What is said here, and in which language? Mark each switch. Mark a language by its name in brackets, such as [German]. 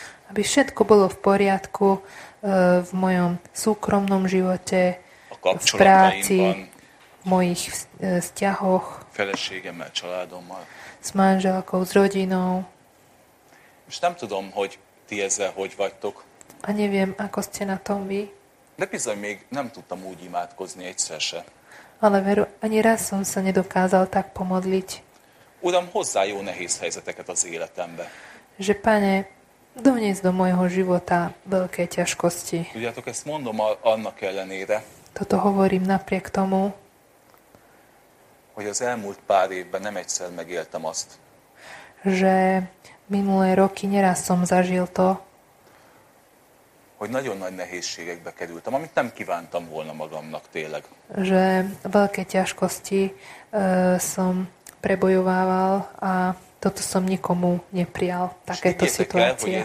[Slovak] Aby všetko bolo v poriadku v mojom súkromnom živote, v práci, v mojich vzťahoch. [Hungarian] Feleségemmel, családommal. [Slovak] S manželkou, s rodinou. [Hungarian] És nem tudom, hogy ti ezzel hogy vagytok. [Slovak] A neviem, ako ste na tom vy. [Hungarian] De bizony még nem tudtam úgy imádkozni egyszer se. [Slovak] Ale veru, ani raz som sa nedokázal tak pomodliť. [Hungarian] Uram, hozzá jó nehéz helyzeteket az életembe. [Slovak] Že Pane, donies do mojho života veľké ťažkosti. [Hungarian] Tudjátok, ezt mondom annak ellenére. [Slovak] Toto hovorím napriek tomu. [Hungarian] Hogy az elmúlt pár évben nem egyszer megéltem azt. [Slovak] Že minulé roky neraz som zažil to. [Hungarian] Hogy nagyon nagy nehézségekbe kerültem, amit nem kívántam volna magamnak tényleg. [Slovak] Že veľké ťažkosti som prebojovával a toto som nikomu neprijal, takéto situácie.